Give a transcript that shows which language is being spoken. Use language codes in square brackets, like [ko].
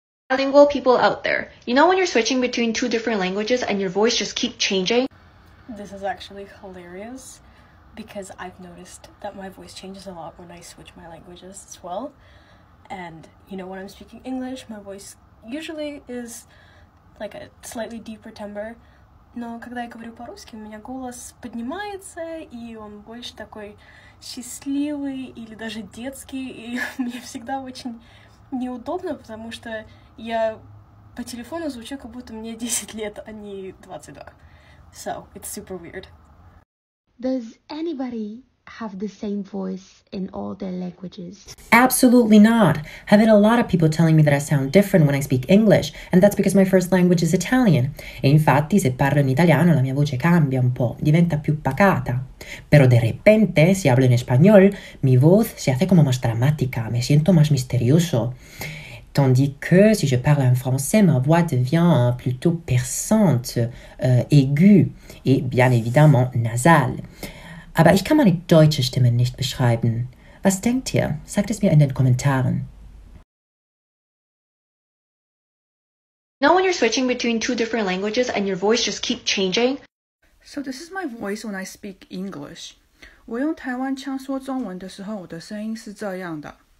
[en] Bilingual people out there, you know when you're switching between two different languages and your voice just keep changing? This is actually hilarious because I've noticed that my voice changes a lot when I switch my languages as well. And you know, when I'm speaking English, my voice usually is like a slightly deeper timbre. [ru] Но когда я говорю по-русски, у меня голос поднимается, и он больше такой счастливый или даже детский, и мне всегда очень неудобно, потому что я по телефону звучу, как будто мне 10 лет, а не 22. [en] So, it's super weird. Does anybody have the same voice in all their languages? Absolutely not. I've had a lot of people telling me that I sound different when I speak English, and that's because my first language is Italian. [it] E infatti, se parlo in italiano, la mia voce cambia un po', diventa più pacata. [es] Pero de repente, si hablo en español, mi voz se hace como más dramática, me siento más misterioso. [fr] Tandis que si je parle en français, ma voix devient plutôt perçante, aiguë et bien évidemment nasale. [de] Aber ich kann meine deutsche Stimme nicht beschreiben. Was denkt ihr? Sagt es mir in den Kommentaren. [en] Now when you're switching between two different languages and your voice just keep changing. So this is my voice when I speak English. [zh] 我用台湾腔说中文的时候，我的声音是这样的。